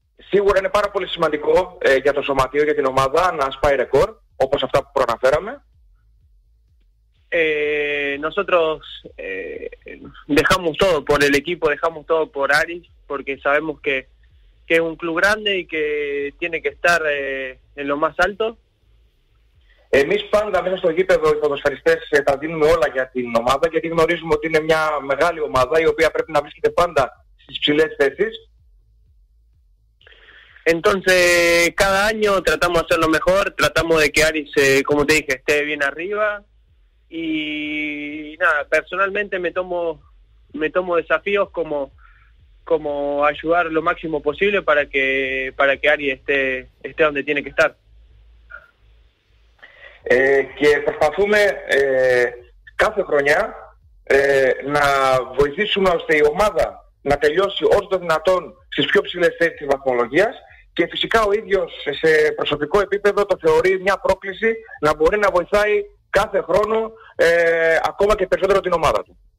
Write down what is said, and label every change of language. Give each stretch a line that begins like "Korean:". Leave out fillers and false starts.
Greek: Σίγουρα είναι πάρα πολύ σημαντικό για το σωματείο, για την ομάδα, να σπάει ρεκόρ, όπως αυτά που προαναφέραμε.
Spanish: Nosotros dejamos todo por el equipo, dejamos todo por Aris, porque sabemos que, que es un club grande y que tiene que estar en lo más alto.
Greek: Εμείς πάντα μέσα στο γήπεδο οι ποδοσφαιριστές τα δίνουμε όλα για την ομάδα, γιατί γνωρίζουμε ότι είναι μια μεγάλη ομάδα η οποία πρέπει να βρίσκεται πάντα στις ψηλές θέσεις.
Spanish: Entonces, cada año tratamos de hacer lo mejor, tratamos de que Aris, como te dije, esté bien arriba. Y nada, personalmente me tomo desafíos como ayudar lo máximo posible para que Aris esté donde tiene que estar.
Greek: Και προσπαθούμε κάθε χρονιά να βοηθήσουμε ώστε η ομάδα να τελειώσει όσο το δυνατόν στις πιο ψηλές θέσεις της βαθμολογίας, και φυσικά ο ίδιος σε προσωπικό επίπεδο το θεωρεί μια πρόκληση να μπορεί να βοηθάει κάθε χρόνο ακόμα και περισσότερο την ομάδα του.